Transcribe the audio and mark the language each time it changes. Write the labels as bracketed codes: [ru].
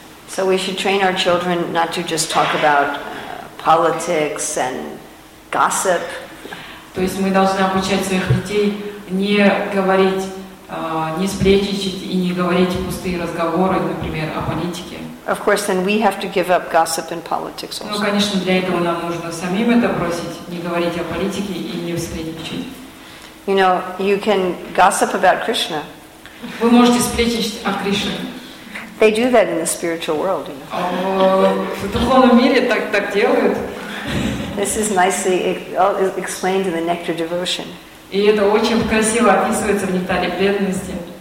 [en] So we should train our children not to just talk about politics and gossip. [ru] То есть мы должны обучать своих детей не говорить, не сплетничать и не говорить пустые разговоры, например, о политике. [en] Of course, then we have to give up gossip and politics also. [ru] Ну, конечно, для этого нам нужно самим это бросить, не говорить о политике и не сплетничать. [en] You know, you can gossip about Krishna. [ru] Вы можете сплетничать о Кришне. [en] They do that in the spiritual world, you know. [ru] В духовном мире так делают. [en] This is nicely explained in the Nectar Devotion. [ru] И это очень красиво описывается в Нектаре Преданности.